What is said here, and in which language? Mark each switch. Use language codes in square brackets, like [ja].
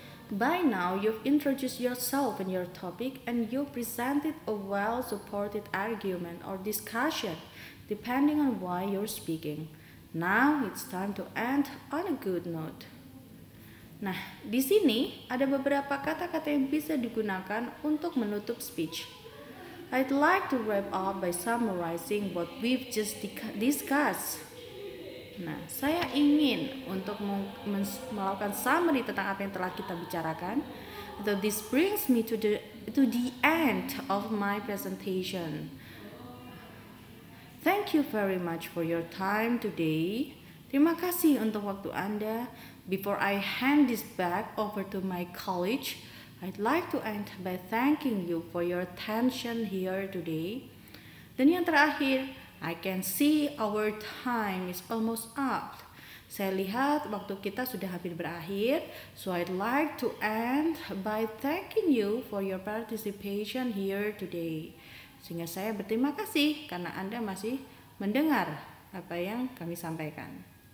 [en] By now you've introduced yourself and your topic and you presented a well-supported argument or discussion depending on why you're speaking. Now it's time to end on a good note. [id] Nah, di sini ada beberapa kata-kata yang bisa digunakan untuk menutup speech. [en] I'd like to wrap up by summarizing what we've just discussed. [id] Nah, saya ingin untuk melakukan summary tentang apa yang telah kita bicarakan. [en] So this brings me to the end of my presentation. Thank you very much for your time today. [id] Terima kasih untuk waktu Anda. [en] Before I hand this back over to my colleague, I'd like to end by thanking you for your attention here today. Dan yang terakhir, I can see our time is almost up. [id] Saya lihat waktu kita sudah hampir berakhir. [en] So I'd like to end by thanking you for your participation here today. [id] Sehingga saya berterima kasih karena Anda masih mendengar apa yang kami sampaikan.